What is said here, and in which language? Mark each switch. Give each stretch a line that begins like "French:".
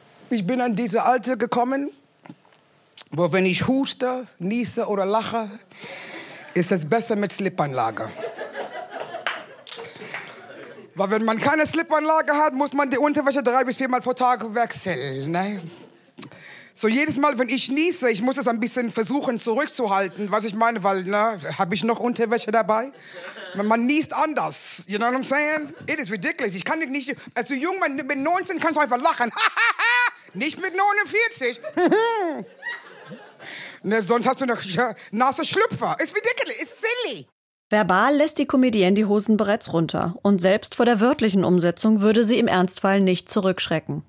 German: Ich bin an diese Alter gekommen, wo wenn ich huste, niese oder lache, ist es besser mit Slipanlage. Weil wenn man keine Slipanlage hat, muss man die Unterwäsche 3 bis 4 Mal pro Tag wechseln. Ne? So jedes Mal, wenn ich niese, ich muss es ein bisschen versuchen zurückzuhalten, was ich meine, weil ne, habe ich noch Unterwäsche dabei? Man niest anders,
English: you know what I'm saying? It is ridiculous.
German: Ich kann nicht, als du jung bist, mit 19 kannst du einfach lachen. Nicht mit 49. Ne, sonst hast du eine nasse Schlüpfer. Ist ridiculous, ist silly. Verbal lässt die Comedienne die Hosen bereits runter. Und selbst vor der wörtlichen Umsetzung würde sie im Ernstfall nicht zurückschrecken.